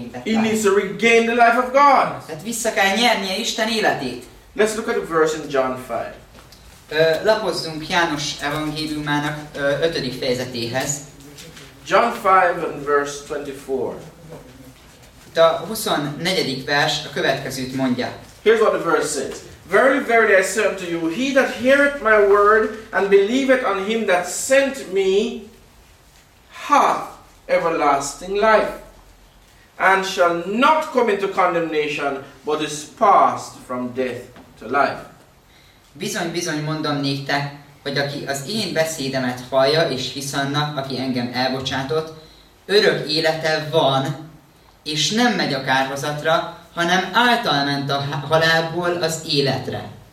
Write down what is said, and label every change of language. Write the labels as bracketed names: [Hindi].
[English] He needs to regain the life of God. [Hungarian] Tehát vissza kell nyernie Isten életét. [English] Let's look at a verse in John 5. [Hungarian] Lapozzunk János evangéliumának 5. fejezetéhez. [English] John 5 and verse 24. [Hungarian] A 24. vers a következőt mondja. [English] Here's what the verse says. Very, very, I say unto you, he that heareth my word and believeth on him that sent me hath everlasting life, and shall not come into condemnation, but is passed from death to life. [Hungarian] Bizony, bizony mondom néktek, hogy aki az én beszédemet hallja és hisz annak, aki engem elbocsátott, örök élete van, és nem megy a kárhozatra, hanem által ment a halálból az életre.